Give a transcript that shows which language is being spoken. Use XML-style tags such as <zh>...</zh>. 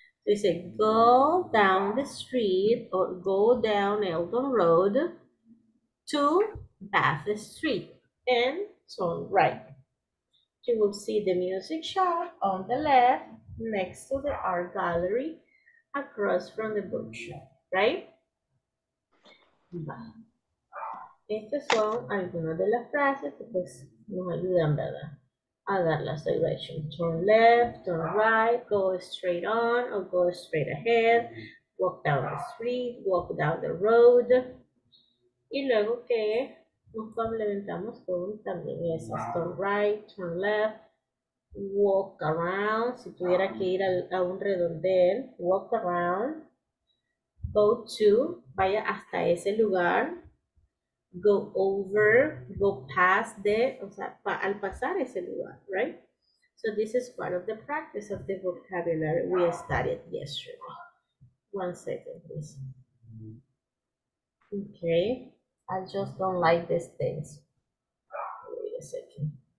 <en>They say go down the street or go down Elton Road to Bath Street and turn right. You will see the music shop on the left next to the art gallery across from the bookshop, right?</en> <es>Estas son algunas de las frases que pues nos ayudan, ¿verdad? A dar la selection.</es> <en>Turn left, turn right, go straight on or go straight ahead, walk down the street, walk down the road.</en> <es>Y luego que nos complementamos con también esas,</es> <en>turn right, turn left, walk around,</en> <es>si tuviera que ir a un redondel,</es> <en>walk around, go to,</en> <es>vaya hasta ese lugar,</es> <en>go over, go past the,</en> <es>o sea, al pasar ese lugar,</es> <en>right? So this is part of the practice of the vocabulary we studied yesterday. One second, please. Okay. I just don't like these things. Wait a second.</en>